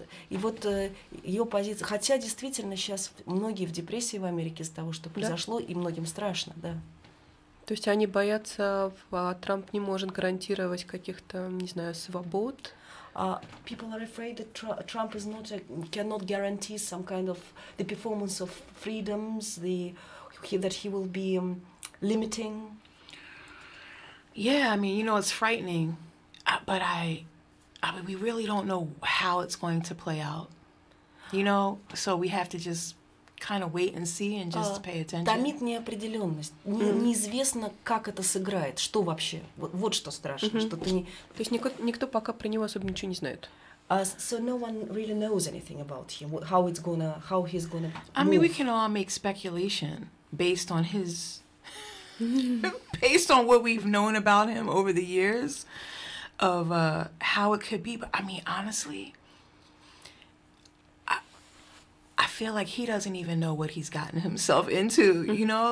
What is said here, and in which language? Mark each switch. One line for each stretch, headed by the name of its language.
Russian: И вот ее позиция. Хотя действительно сейчас многие в депрессии в Америке из-за того, что произошло, и многим страшно, да. То есть они боятся, Трамп не может гарантировать каких-то, не знаю, свобод.
English: People are afraid that Trump is not cannot guarantee some kind of the performance of freedoms, that he will be limiting. Yeah, I mean, you know, it's frightening, but I mean, we really don't know how it's going to play out, you know, so we have to just kind of wait and see and just pay attention.
Russian: Томит неопределённость. Неизвестно, как это сыграет, что вообще, вот что страшно, что ты не... То есть никто пока про него особо ничего не знает.
English: So no one really knows anything about him, how he's gonna move. I mean, we can all make speculation based on his... based on what we've known about him over the years. Of how it could be, but I mean, honestly, I feel like he doesn't even know what he's gotten himself into, you know?